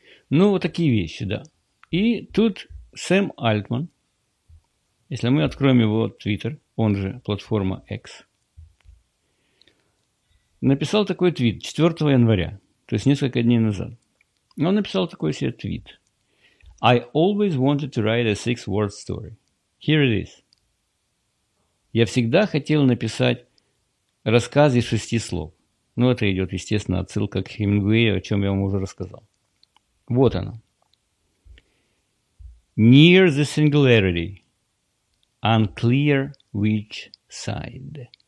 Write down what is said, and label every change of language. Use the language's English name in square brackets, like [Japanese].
[Russian] Ну, вот такие вещи, да. И тут Сэм Альтман, если мы откроем его Twitter, он же платформа X, написал такой твит 4 января, то есть несколько дней назад. Он написал такой себе твит. [English] I always wanted to write a 6-word story. Here it is. [Russian] Я всегда хотел написать рассказ из 6 слов. Ну, это идет, естественно, отсылка к Хемингуэю, о чем я вам уже рассказал. Вот оно. [English] Near the singularity. Unclear which side.